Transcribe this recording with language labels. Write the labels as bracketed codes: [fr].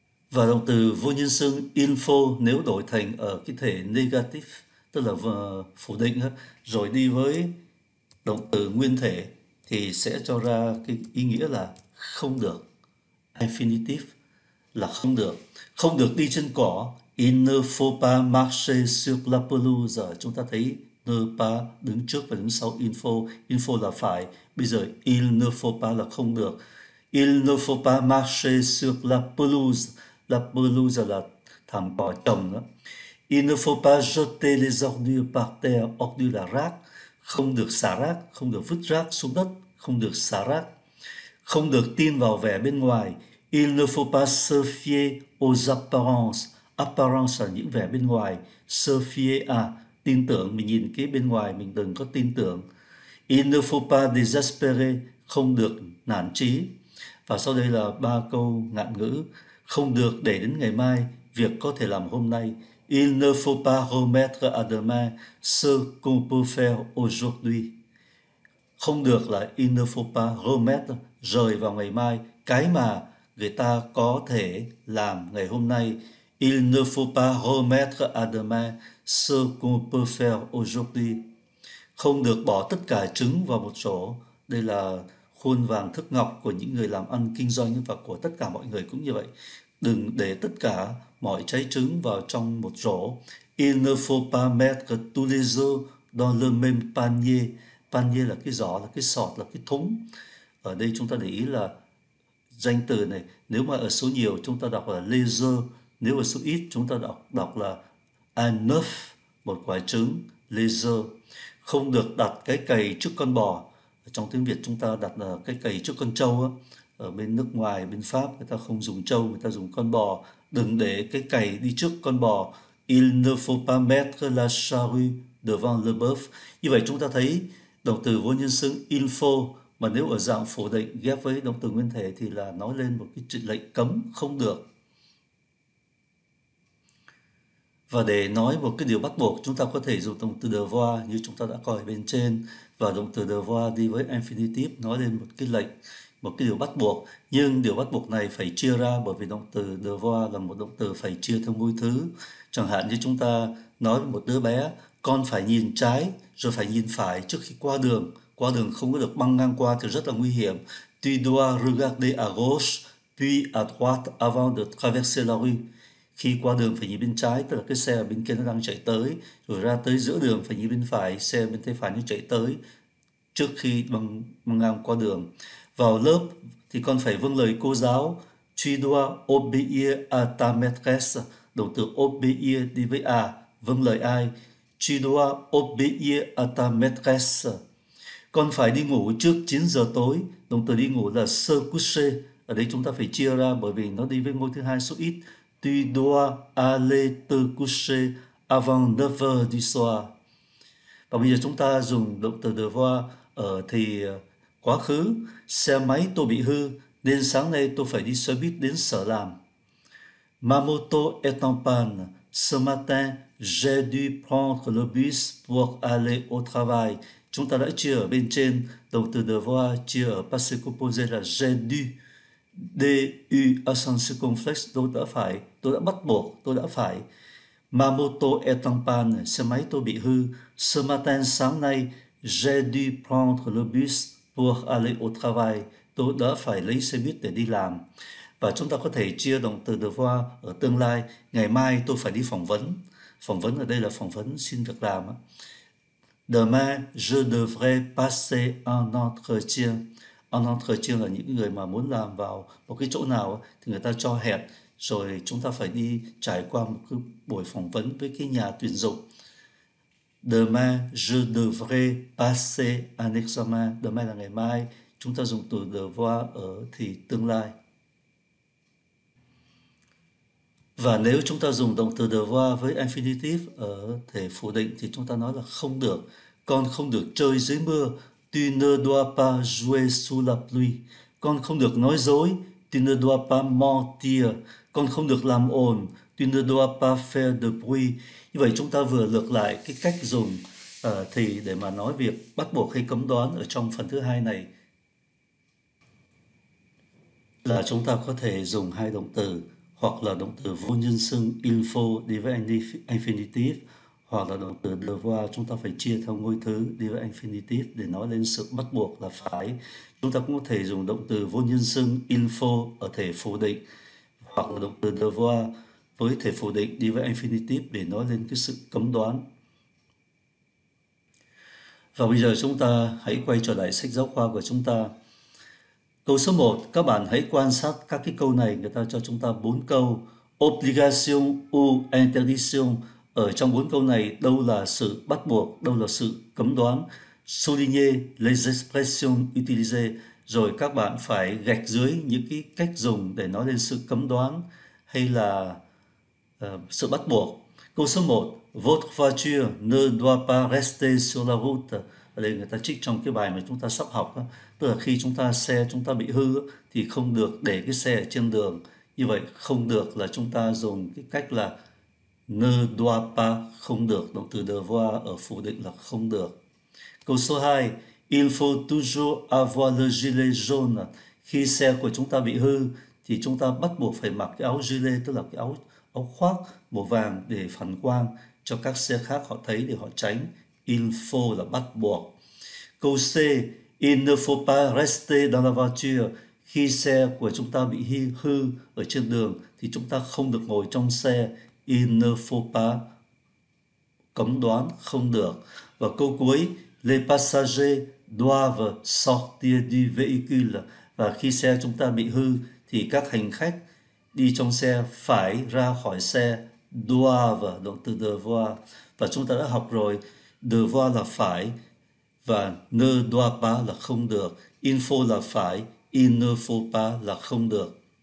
[vi] Và động từ vô nhân xưng il faut nếu đổi thành ở cái thể negative, tức là phủ định, rồi đi với động từ nguyên thể thì sẽ cho ra cái ý nghĩa là không được. Infinitive là không được. Không được đi trên cỏ. [fr] Il ne faut pas marcher sur la pelouse. [vi] Chúng ta thấy ne pas đứng trước và đứng sau info. Info là phải. Bây giờ il ne faut pas là không được. [fr] Il ne faut pas marcher sur la pelouse. [vi] la pelouse à la thảm cỏ trồng đó. [fr] Il ne faut pas jeter les ordures par terre, [vi] ordures là rác, không được xả rác, không được vứt rác xuống đất, không được xả rác, không được tin vào vẻ bên ngoài. [fr] Il ne faut pas se fier aux apparences. [vi] Apparence là những vẻ bên ngoài. Se fier tin tưởng, mình nhìn cái bên ngoài mình đừng có tin tưởng. [fr] Il ne faut pas désespérer, [vi] không được nản chí. Và sau đây là ba câu ngạn ngữ. Không được để đến ngày mai, việc có thể làm hôm nay. [fr] Il ne faut pas remettre à demain ce qu'on peut faire aujourd'hui. [vi] Không được là [fr] il ne faut pas remettre, [vi] rời vào ngày mai, cái mà người ta có thể làm ngày hôm nay. [fr] Il ne faut pas remettre à demain ce qu'on peut faire aujourd'hui. [vi] Không được bỏ tất cả trứng vào một chỗ. Đây là khuôn vàng thước ngọc của những người làm ăn kinh doanh và của tất cả mọi người cũng như vậy. Đừng để tất cả mọi trái trứng vào trong một rổ. [fr] Il ne faut pas mettre tous les œufs dans le même panier. [vi] Panier là cái giỏ, là cái sọt, là cái thúng. Ở đây chúng ta để ý là danh từ này, nếu mà ở số nhiều chúng ta đọc là [fr] les œufs, [vi] nếu ở số ít chúng ta đọc là [fr] un œuf, [vi] một quả trứng, les œufs. Không được đặt cái cày trước con bò. Trong tiếng Việt chúng ta đặt là cái cày trước con trâu á. Ở bên nước ngoài, bên Pháp, người ta không dùng trâu, người ta dùng con bò. Đừng để cái cày đi trước con bò. [fr] Il ne faut pas mettre la charrue devant le bœuf. [vi] Như vậy chúng ta thấy động từ vô nhân xứng il faut, mà nếu ở dạng phủ định ghép với động từ nguyên thể thì là nói lên một cái chỉ lệnh cấm, không được. Và để nói một cái điều bắt buộc, chúng ta có thể dùng động từ devoir như chúng ta đã coi bên trên. Và động từ devoir đi với infinitive nói lên một cái lệnh, một cái điều bắt buộc. Nhưng điều bắt buộc này phải chia ra, bởi vì động từ devoir là một động từ phải chia theo ngôi thứ. Chẳng hạn như chúng ta nói với một đứa bé, con phải nhìn trái rồi phải nhìn phải trước khi qua đường. Qua đường không có được băng ngang qua thì rất là nguy hiểm. [fr] Tu dois regarder à gauche puis à droite avant de traverser la rue. [vi] Khi qua đường phải nhìn bên trái, tức là cái xe ở bên kia nó đang chạy tới, rồi ra tới giữa đường phải nhìn bên phải, xe bên tay phải nó chạy tới trước khi băng ngang qua đường. Vào lớp thì con phải vâng lời cô giáo. [fr] Tu dois obéir à ta maîtresse. [vi] Động từ obéir đi với à, vâng lời ai? [fr] Tu dois obéir à ta maîtresse. [vi] Con phải đi ngủ trước 9 giờ tối. Động từ đi ngủ là se coucher. Ở đây chúng ta phải chia ra bởi vì nó đi với ngôi thứ hai số ít. [fr] Tu dois aller te coucher avant 9 heures du soir. [vi] Và bây giờ chúng ta dùng động từ devoir ở thì quá khứ. Xe máy tôi bị hư nên sáng nay tôi phải đi xe buýt đến sở làm. [fr] Ma moto est en panne. Ce matin j'ai dû prendre le bus pour aller au travail. [vi] Chúng ta đã chia ở bên trên, động từ devoir chia ở passé composé là j'ai dû, du, à sens circonflexe, tôi đã bắt buộc. [fr] Ma moto est en panne, [vi] xe máy tôi bị hư. [fr] Ce matin, [vi] sáng nay, [fr] j'ai dû prendre le bus pour aller au travail. [vi] Tôi đã phải lấy xe buýt để đi làm. Và chúng ta có thể chia động từ devoir ở tương lai. Ngày mai tôi phải đi phỏng vấn. Phỏng vấn ở đây là phỏng vấn xin việc làm. [fr] Demain, je devrais passer un entretien. [vi] Un entretien là những người mà muốn làm vào một cái chỗ nào thì người ta cho hẹn, rồi chúng ta phải đi trải qua một cái buổi phỏng vấn với cái nhà tuyển dụng. [fr] Demain, je devrais passer un examen. [vi] Demain là ngày mai. Chúng ta dùng từ devoir ở thì tương lai. Và nếu chúng ta dùng động từ devoir với infinitive ở thể phủ định thì chúng ta nói là không được. Con không được chơi dưới mưa. [fr] Tu ne dois pas jouer sous la pluie. [vi] Con không được nói dối. [fr] Tu ne dois pas mentir. [vi] Con không được làm ồn. [fr] Tu ne dois pas faire de bruit. [vi] Như vậy chúng ta vừa lược lại cái cách dùng thì để mà nói việc bắt buộc hay cấm đoán ở trong phần thứ hai này. Là chúng ta có thể dùng hai động từ, hoặc là động từ vô nhân xưng il faut đi với infinitive, hoặc là động từ devoir chúng ta phải chia theo ngôi thứ đi với infinitive để nói lên sự bắt buộc là phải. Chúng ta cũng có thể dùng động từ vô nhân xưng il faut ở thể phủ định, hoặc là động từ devoir với thể phủ định đi với infinitive để nói lên cái sự cấm đoán. Và bây giờ chúng ta hãy quay trở lại sách giáo khoa của chúng ta. Câu số 1, các bạn hãy quan sát các cái câu này, người ta cho chúng ta 4 câu. [fr] Obligation ou interdiction [vi] ở trong bốn câu này, đâu là sự bắt buộc, đâu là sự cấm đoán? [fr] Souligner les expressions utilisées, [vi] rồi các bạn phải gạch dưới những cái cách dùng để nói lên sự cấm đoán hay là sự bắt buộc. Câu số 1, [fr] votre voiture ne doit pas rester sur la route. [vi] Ở đây người ta trích trong cái bài mà chúng ta sắp học đó. Tức là khi chúng ta xe chúng ta bị hư thì không được để cái xe ở trên đường. Như vậy không được là chúng ta dùng cái cách là ne doit pas, không được, động từ devoir ở phủ định là không được. Câu số 2, [fr] il faut toujours avoir le gilet jaune. [vi] Khi xe của chúng ta bị hư thì chúng ta bắt buộc phải mặc cái áo gilet, tức là cái áo áo khoác màu vàng để phản quang cho các xe khác họ thấy để họ tránh. Info là bắt buộc. Câu C, [fr] il ne faut pas rester dans la voiture. [vi] Khi xe của chúng ta bị hư ở trên đường thì chúng ta không được ngồi trong xe. [fr] Il ne faut pas, [vi] cấm đoán, không được. Và câu cuối, [fr] les passagers doivent sortir du véhicule. [vi] Và khi xe chúng ta bị hư thì các hành khách đi trong xe phải ra khỏi xe. Doivent, động từ devoir. Và chúng ta đã học rồi, devoir là phải và ne doit pas là không được. Info là phải, [fr] il ne faut pas [vi] là không được.